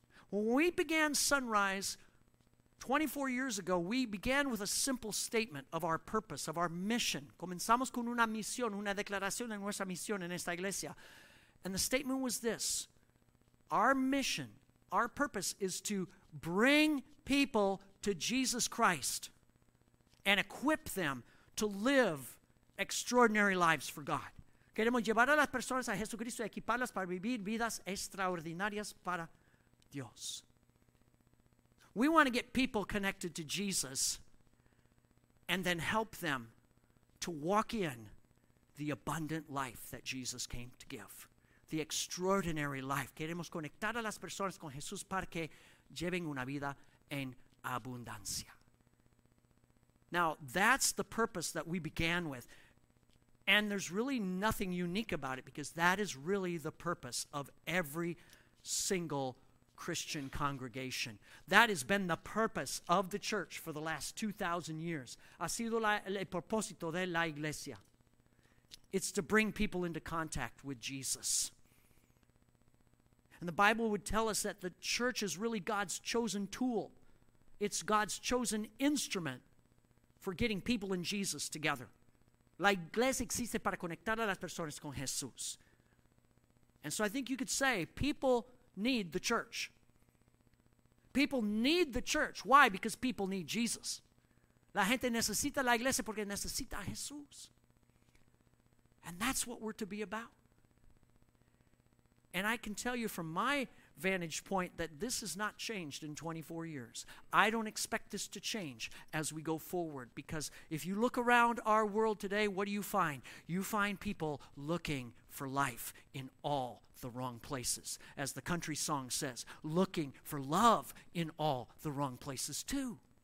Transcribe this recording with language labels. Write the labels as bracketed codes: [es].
[en] When we began Sunrise 24 years ago, we began with a simple statement of our purpose, of our mission. [es] Comenzamos con una misión, una declaración de nuestra misión en esta iglesia. [en] And the statement was this: our mission, our purpose is to bring people to Jesus Christ and equip them to live extraordinary lives for God. [es] Queremos llevar a las personas a Jesucristo y equiparlas para vivir vidas extraordinarias para Dios. [en] We want to get people connected to Jesus and then help them to walk in the abundant life that Jesus came to give. The extraordinary life. [es] Queremos conectar a las personas con Jesús para que lleven una vida en abundancia. [en] Now, that's the purpose that we began with. And there's really nothing unique about it because that is really the purpose of every single Christian congregation. That has been the purpose of the church for the last 2,000 years. [es] Ha sido el propósito de la iglesia. [en] It's to bring people into contact with Jesus. And the Bible would tell us that the church is really God's chosen tool. It's God's chosen instrument for getting people and Jesus together. [es] La iglesia existe para conectar a las personas con Jesús. [en] And so I think you could say people need the church. People need the church. Why? Because people need Jesus. [es] La gente necesita la iglesia porque necesita a Jesús. [en] And that's what we're to be about. And I can tell you from my vantage point that this has not changed in 24 years. I don't expect this to change as we go forward, because if you look around our world today, what do you find? You find people looking for life in all the wrong places, as the country song says, looking for love in all the wrong places too.